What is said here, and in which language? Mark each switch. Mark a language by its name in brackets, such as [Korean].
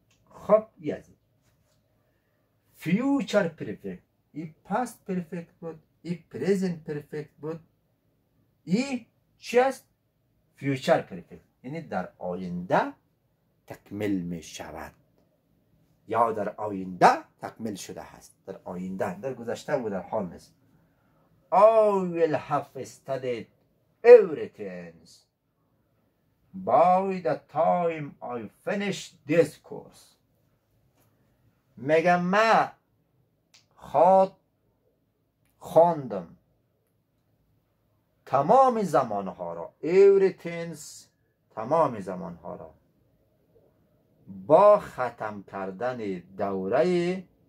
[Persian] خب یعنی فیوچر پرفکت، ای پاست پرفکت بود، ای پریزنت پرفکت بود، ای چیست؟ فیوچر پرفکت یعنی در آینده تکمیل می شود یا در آینده تکمیل شده هست. در آینده، در گذشته و در حال نیست. [English] I will have studied everything by the time I finish this course. [Persian] میگم من خواندم تمام زمانها را، everything، تمام زمانها را با ختم کردن دوره،